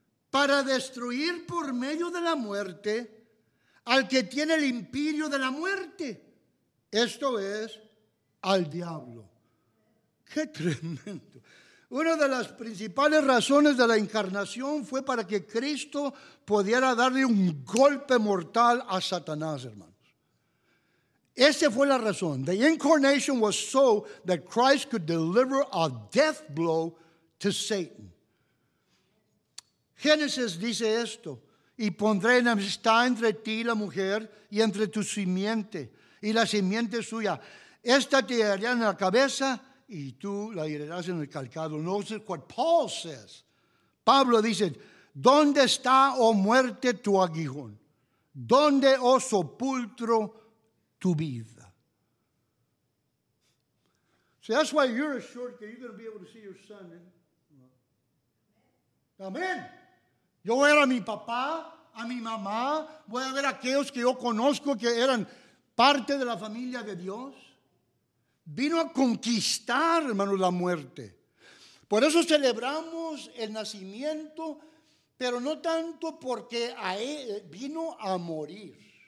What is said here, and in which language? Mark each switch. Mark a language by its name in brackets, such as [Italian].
[Spanish] Para destruir por medio de la muerte al que tiene el imperio de la muerte. Esto es al diablo. ¡Qué tremendo! Una de las principales razones de la encarnación fue para que Cristo pudiera darle un golpe mortal a Satanás, hermanos. Esa fue la razón. [English] The incarnation was so that Christ could deliver a death blow to Satan. [Spanish] Génesis dice esto, y pondré enemistad entre ti y la mujer y entre tu simiente y la simiente suya. Esta te herirá en la cabeza y tú la herirás en el calcado. [English] Notice what Paul says. [Spanish] Pablo dice, ¿dónde está, oh muerte, tu aguijón? ¿Dónde, oh sepulcro, tu vida. [English] See, that's why you're assured that you're going to be able to see your son. Amén. [Spanish] Yo voy a ver a mi papá, a mi mamá, voy a ver a aquellos que yo conozco que eran parte de la familia de Dios. Vino a conquistar, hermanos, la muerte. Por eso celebramos el nacimiento, pero no tanto porque a él vino a morir.